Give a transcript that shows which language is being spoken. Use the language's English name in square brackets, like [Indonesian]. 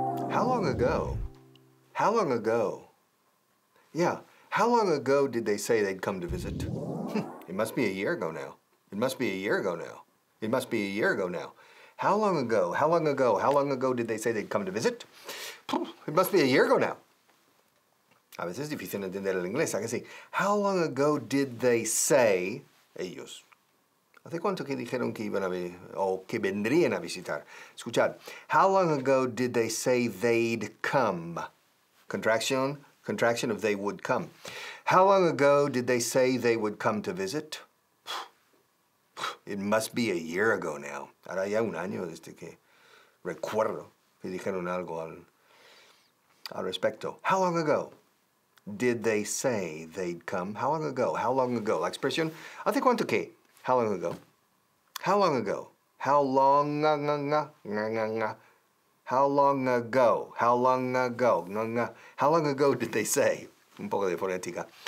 [English] How long ago? How long ago? Yeah, how long ago did they say they'd come to visit? It must be a year ago now. It must be a year ago now. It must be a year ago now. How long ago? How long ago? How long ago did they say they'd come to visit? It must be a year ago now. [Spanish] A veces es difícil entender el inglés, ¿sabes? [English] How long ago did they say, [Spanish] ellos, hace cuánto que dijeron que iban a o que vendrían a visitar? Escuchad. [English] How long ago did they say they'd come? Contraction, contraction of they would come. How long ago did they say they would come to visit? It must be a year ago now. [Spanish] Ahora ya un año desde que recuerdo que dijeron algo al respecto. [English] How long ago did they say they'd come? How long ago? How long ago? [Spanish] La expresión, ¿hace cuánto que? [English] How long ago? How long ago? How long ago? How long ago? How long ago? How long ago did they say? [Spanish] Un poco de fonética.